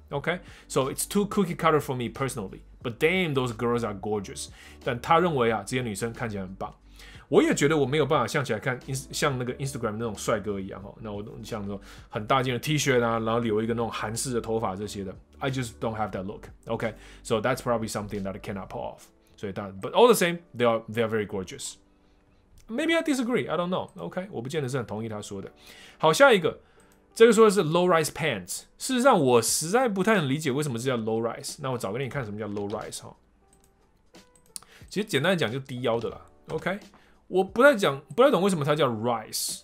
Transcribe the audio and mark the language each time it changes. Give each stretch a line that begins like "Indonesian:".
English: OK， so it's too cookie cutter for me personally， but damn those girls are gorgeous。
Chinese: 但他认为啊，这些女生看起来很棒。我也觉得我没有办法像起来看像那个 Instagram 那种帅哥一样哈。那我像那种很大件的 T 恤啊，然后留一个那种韩式的头发这些的 ，
English: I just don't have that look。 OK， so that's probably something that I cannot pull off。
Chinese: 所以但
English: ，but all the same， they are very gorgeous。Maybe I disagree， I don't know。
Chinese: OK， 我不见得是很同意他说的。好，下一个，这个说的是 low rise pants。事实上，我实在不太能理解为什么这叫 low rise。那我找给你看什么叫 low rise 哈。其实简单的讲就低腰的啦。 OK， 我不太懂为什么它叫 rise。